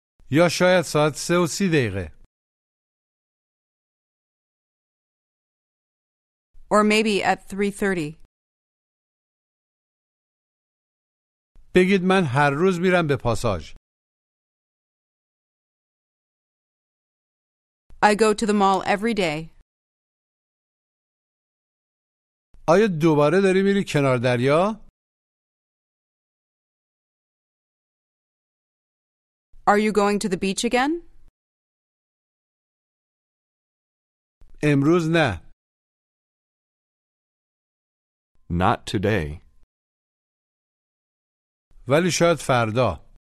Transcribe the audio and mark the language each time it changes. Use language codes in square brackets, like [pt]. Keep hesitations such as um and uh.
[fa] یا شاید ساعت سه و سی دقیقه. [en] Or maybe at 3.30. [fa] بگید من هر روز میرم به پاساج. [en] I go to the mall every day. [fa] آیا دوباره داری میری کنار دریا؟ [en] Are you going to the beach again? [fa] امروز نه. [en] Not today. [fa] ولی شاید فردا.